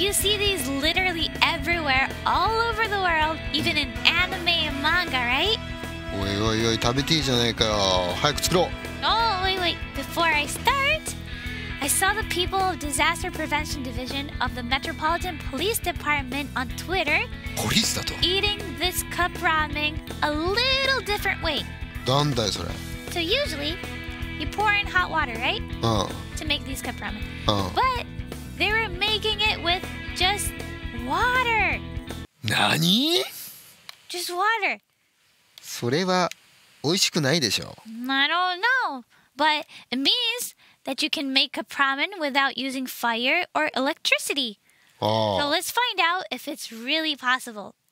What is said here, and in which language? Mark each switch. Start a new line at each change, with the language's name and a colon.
English: You see these literally everywhere, all over the world, even in anime and manga, right?
Japanese: おいおいおい、食べていいじゃないかよ。早く作ろう。
English: Oh, wait, wait, before I start, I saw the people of Disaster Prevention Division of the Metropolitan Police Department on Twitter eating this cup ramen a little different way.
Japanese: なんだよそれ。
English: So usually, you pour in hot water, right? To make these cup ramen. But they were making it with just water.
Japanese: 何？
English: Just water.
Japanese: それは美味しくないでしょう。
English: I don't know. But it means that you can make cup ramen without using fire or electricity. So let's find out if it's really possible.